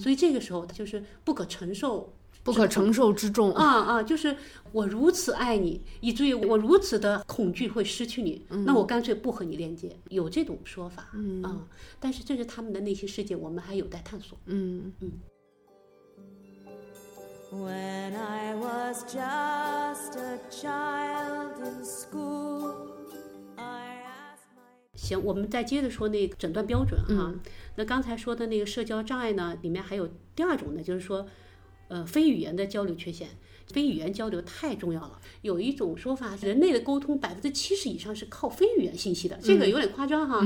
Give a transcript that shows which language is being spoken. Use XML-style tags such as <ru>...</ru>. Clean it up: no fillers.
<zh>所以这个时候他就是不可承受。不可承受之重啊啊！就是我如此爱你，以至于我如此的恐惧会失去你，嗯，那我干脆不和你连接，有这种说法，嗯啊，但是这是他们的内心世界，我们还有待探索。嗯嗯。</zh> <en>When I was just a child in school, I asked my...</en> <zh>行，我们再接着说那个诊断标准哈，嗯。那刚才说的那个社交障碍呢，里面还有第二种呢，就是说。非语言的交流缺陷，非语言交流太重要了。有一种说法，人类的沟通70%以上是靠非语言信息的，这个有点夸张哈，</zh>